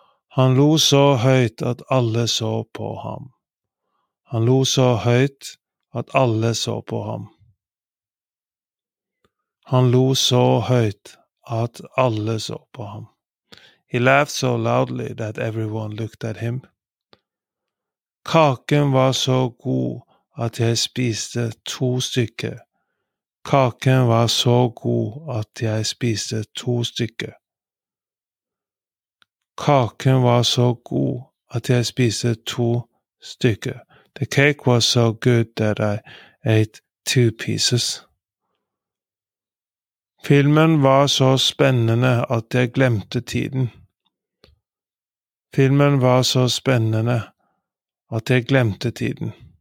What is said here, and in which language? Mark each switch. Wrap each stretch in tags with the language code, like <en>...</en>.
<no>Han lo så høyt at alle så på ham. Han lo så høyt at alle så på ham. Han lo så høyt at alle så på ham.</no> <en>He laughed so loudly that everyone looked at him.</en> <no>Kaken var så god at jeg spiste to stykker. Kaken var så god at jeg spiste to stykker. Kaken var så god at jeg spiste to stykker.</no> <en>The cake was so good that I ate two pieces.</en> <no>Filmen var så spennende at jeg glemte tiden. Filmen var så spennende at jeg glemte tiden.</no>